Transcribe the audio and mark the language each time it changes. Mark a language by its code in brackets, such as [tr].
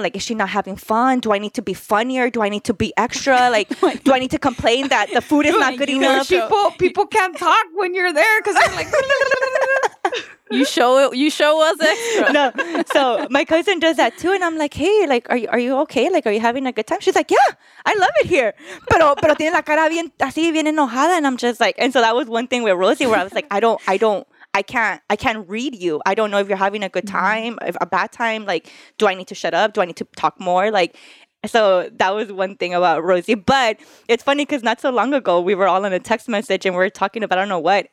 [en] Like, is she not having fun? Do I need to be funnier? Do I need to be extra? Like, do I need to complain that the food is not good enough? People can't talk when you're there because I'm like. You show us it. No. So my cousin does that too. And I'm like, hey, like, are you okay? Like, are you having a good time? She's like, yeah, I love it here. [es] Pero tiene la cara bien, así bien enojada. [en] And I'm just like, and so that was one thing with Rosie where I was like, I can't read you. I don't know if you're having a good time, a bad time. Like, do I need to shut up? Do I need to talk more? Like, so that was one thing about Rosie. But it's funny because not so long ago, we were all in a text message and we were talking about I don't know what.